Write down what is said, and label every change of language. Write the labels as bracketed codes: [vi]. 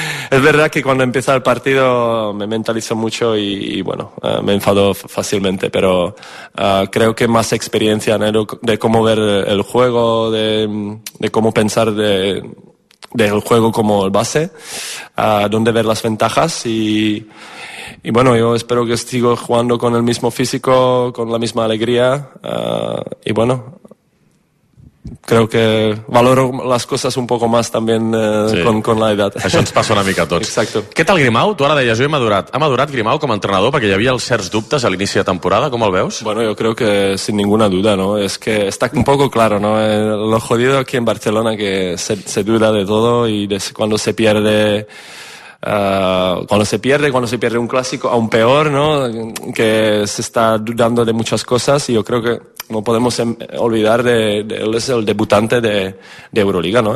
[es] Es verdad que cuando empieza el partido me mentalizo mucho y bueno, me enfado fácilmente, pero creo que más experiencia, ¿no?, de cómo ver el juego, de cómo pensar del juego como base, dónde ver las ventajas y bueno, yo espero que sigo jugando con el mismo físico, con la misma alegría, y bueno, creo que valoro las cosas un poco más también con la edad. [ca] Això ens passa una mica a tots. [es] Exacto. [ca] Què tal Grimau? Tu ara deies, jo he madurat. Ha madurat Grimau com a entrenador perquè hi havia els certs dubtes a l'inici de temporada, com el veus? [es] Bueno, yo creo que sin ninguna duda, ¿no? Es que está un poco claro, ¿no? Lo jodido aquí en Barcelona que se duda de todo y desde cuando se pierde cuando se pierde un clásico, aún peor, ¿no? Que se está dudando de muchas cosas y yo creo que no podemos olvidar de él es el debutante de Euroliga, ¿no?